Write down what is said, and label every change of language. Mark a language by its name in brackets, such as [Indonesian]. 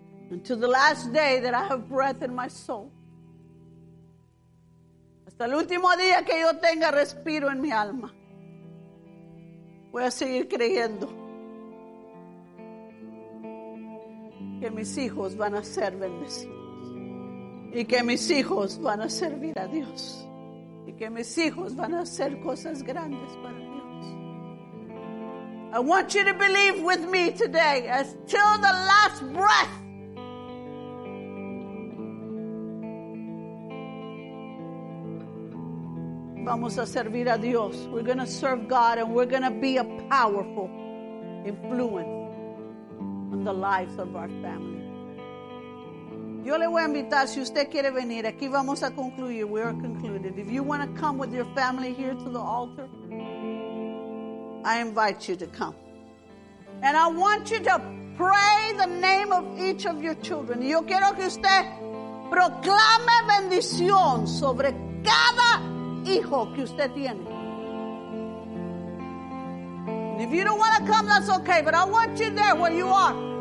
[English] Until the last day that I have breath in my soul. [Spanish] Hasta el último día que yo tenga respiro en mi alma. Voy a seguir creyendo. Que mis hijos van a ser bendecidos. Y que mis hijos van a servir a Dios. Y que mis hijos van a hacer cosas grandes para Dios. [English] I want you to believe with me today. Until the last breath. [Spanish] Vamos a servir a Dios. [English] We're going to serve God and we're going to be a powerful influence in the lives of our family. [Spanish] Yo le voy a invitar, si usted quiere venir, aquí vamos a concluir. [English] We are concluded. If you want to come with your family here to the altar, I invite you to come. And I want you to pray the name of each of your children. [Spanish] Yo quiero que usted proclame bendición sobre cada hijo que usted tiene. [English] And if you don't want to come, that's okay, but I want you there where you are.